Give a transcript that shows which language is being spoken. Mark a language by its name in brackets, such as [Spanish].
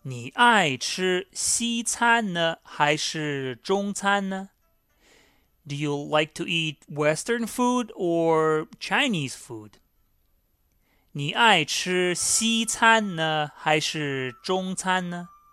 [Chinese] 你爱吃西餐呢还是中餐呢? [English] Do you like to eat Western food or Chinese food? [Chinese] 你爱吃西餐呢还是中餐呢?